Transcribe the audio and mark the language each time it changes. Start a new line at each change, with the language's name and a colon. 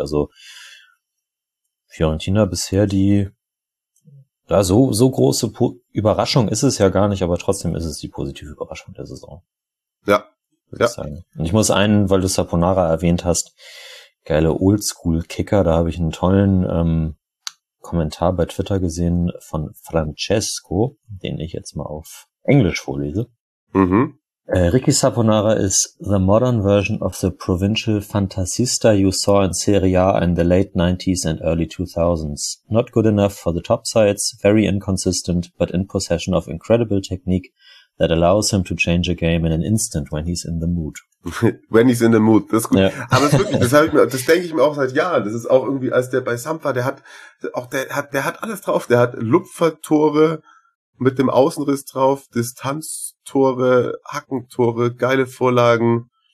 German: Also Fiorentina bisher die, ja, so große Überraschung ist es ja gar nicht, aber trotzdem ist es die positive Überraschung der Saison. Ja. Und ich muss einen, weil du Saponara erwähnt hast, geile Oldschool-Kicker, da habe ich einen tollen Kommentar bei Twitter gesehen von Francesco, den ich jetzt mal auf Englisch vorlese. Mhm.
English: Ricky Saponara is the modern version of the provincial fantasista you saw in Serie A in the late 90s and early 2000s. Not good enough for the top sides, very inconsistent, but in possession of incredible technique that allows him to change a game in an instant when he's in the mood. When he's in the mood,
German: das ist gut. Ja. Aber wirklich, das denke ich mir auch seit Jahren. Das ist auch irgendwie, als der bei Samp war, der hat alles drauf. Der hat Lupfertore mit dem Außenriss drauf, Distanztore, Hackentore, geile Vorlagen.